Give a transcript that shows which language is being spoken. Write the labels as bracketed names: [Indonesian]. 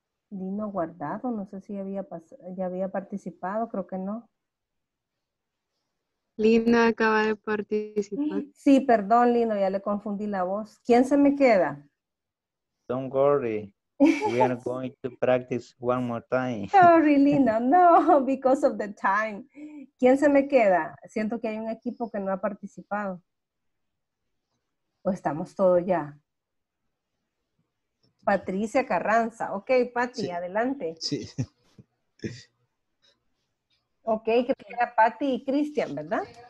[Spanish] Lino Guardado, no sé si ya había participado, creo que no. Lino acaba de participar. Sí, perdón, Lino, ya le confundí la voz. ¿Quién se me queda? [English] Don't worry, we are going to practice one more time. Sorry, Lino, no, because of the time. [Spanish] ¿Quién se me queda? Siento que hay un equipo que no ha participado. ¿O estamos todos ya? Patricia Carranza. Ok, Patty, sí. Adelante. Sí. Ok, creo que era Patty y Cristian, ¿verdad?